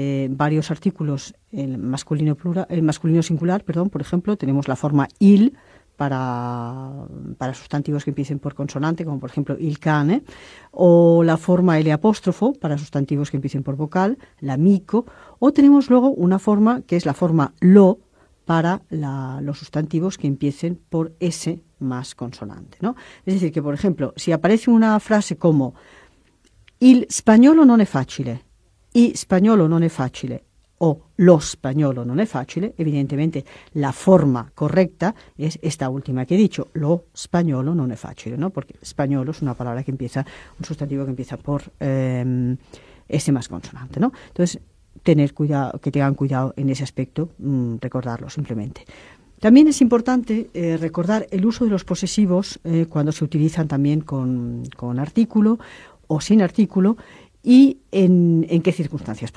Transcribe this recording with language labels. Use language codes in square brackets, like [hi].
[es] varios artículos en masculino plural, en masculino singular, perdón, por ejemplo, tenemos la forma il para sustantivos que empiecen por consonante, como por ejemplo il cane, o la forma L apóstrofo para sustantivos que empiecen por vocal, l'amico, o tenemos luego una forma que es la forma lo para los sustantivos que empiecen por S más consonante, ¿no? Es decir, que por ejemplo, si aparece una frase como [it] il spagnolo non è facile, [es] y spagnolo non è facile, o [it] lo spagnolo non è facile, [es] evidentemente la forma correcta es esta última que he dicho, lo spagnolo non è facile, ¿no? Porque spagnolo es una palabra que empieza, un sustantivo que empieza por S más consonante, ¿no? Entonces, tener cuidado, que tengan cuidado en ese aspecto, recordarlo simplemente. También es importante recordar el uso de los posesivos cuando se utilizan también con artículo o sin artículo y en qué circunstancias.